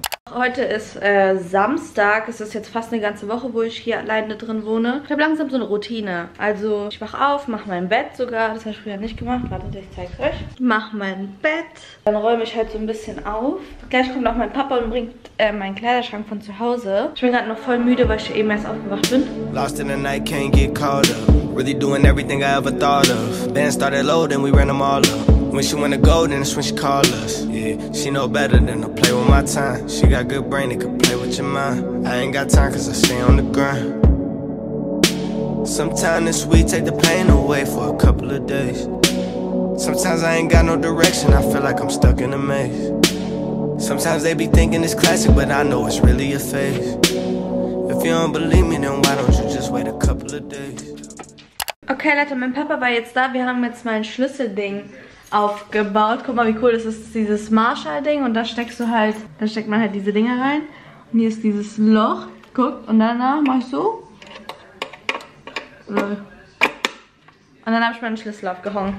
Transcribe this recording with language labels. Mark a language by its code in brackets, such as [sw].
[de] Heute ist Samstag, es ist jetzt fast eine ganze Woche, wo ich hier alleine drin wohne. Ich habe langsam so eine Routine. Also ich wache auf, mache mein Bett sogar, das habe ich früher nicht gemacht. Wartet, ich zeige es euch. Mach mein Bett, dann räume ich halt so ein bisschen auf. Gleich kommt auch mein Papa und bringt meinen Kleiderschrank von zu Hause. Ich bin gerade noch voll müde, weil ich eben erst aufgewacht bin. [en] Lost in the night, can't get caught up. Really doing everything I ever thought of. Band started loading, we ran them all up. When she went to golden, it's when she called us. Yeah, she know better than to play with my time. She got good brain, it could play with your mind. I ain't got time, cause I stay on the grind. Sometimes it's sweet, take the pain away for a couple of days. Sometimes I ain't got no direction, I feel like I'm stuck in a maze. Sometimes they be thinking it's classic, but I know it's really a phase. If you don't believe me, then why don't you just wait a couple of days? [de] Okay, Leute, mein Papa war jetzt da. Wir haben jetzt mein Schlüsselding aufgebaut. Guck mal, wie cool das ist, dieses Marshall-Ding. Und da steckst du halt, da steckt man halt diese Dinger rein. Und hier ist dieses Loch. Guck, und danach mach ich so. Und dann habe ich meinen Schlüssel aufgehängt.